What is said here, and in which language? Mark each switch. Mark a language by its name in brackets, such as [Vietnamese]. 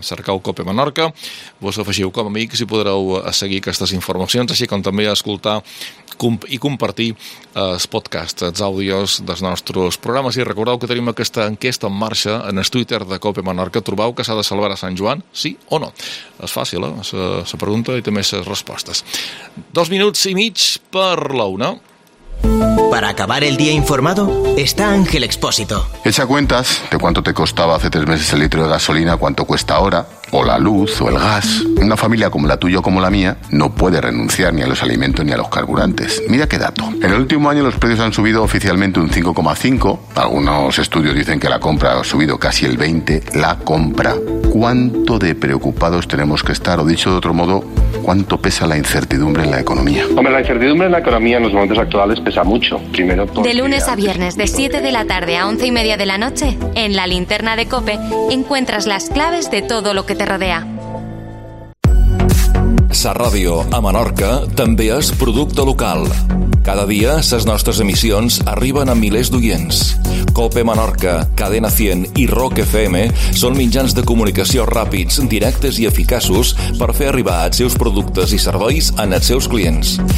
[Catalan] Cercau Cope Menorca, vos afegiu com a amics i podreu seguir aquestes informacions, així com també escoltar i compartir els podcasts, els àudios dels nostres programes. I recordeu que tenim aquesta enquesta en marxa en el Twitter de Cope Menorca. Trobeu que s'ha de celebrar a Sant Joan, sí o no? És fàcil, la pregunta i també les respostes. 2 minuts i mig per la una. [Spanish] Para acabar el día informado, está Ángel Expósito. Echa cuentas de cuánto te costaba hace 3 meses el litro de gasolina, cuánto cuesta ahora, o la luz o el gas. Una familia como la tuya o como la mía no puede renunciar ni a los alimentos ni a los carburantes. Mira qué dato. En el último año los precios han subido oficialmente un 5,5. Algunos estudios dicen que la compra ha subido casi el 20. La compra. ¿Cuánto de preocupados tenemos que estar? O dicho de otro modo, ¿cuánto pesa la incertidumbre en la economía? Hombre, la incertidumbre en la economía en los momentos actuales pesa mucho. Primero, de lunes a viernes, de 7 de la tarde a 11 y media de la noche, en La Linterna de COPE encuentras las claves de todo lo que te rodea. [Catalan] Sa Ràdio a Menorca també és producte local. Cada dia, les nostres emissions arriben a milers d'oients. COPE Menorca, Cadena 100 i Rock FM són mitjans de comunicació ràpids, directes i eficaços per fer arribar els seus productes i serveis en els seus clients.